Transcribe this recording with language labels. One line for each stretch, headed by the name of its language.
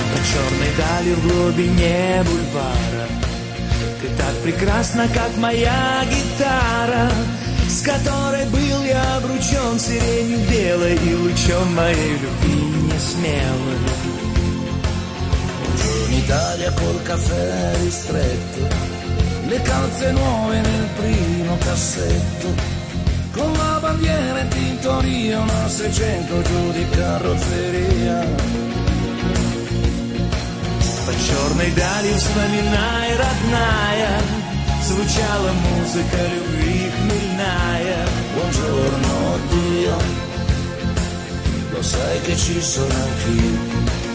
Russian: Черной дали в глубине бульвара, ты так прекрасна, как моя гитара, с которой был я обручен сиренью белой и лучом моей любви несмелой.
Italian: Buongiorno Italia, col caffè ristretto, le calze nuove nel primo cassetto, con la bandiera in tintoria, una 600 giù di carrozzeria.
Russian: Черной дали вспоминай, родная, звучала музыка любви хмельная.
Italian: Buongiorno Dio, lo sai che ci sono anch'io.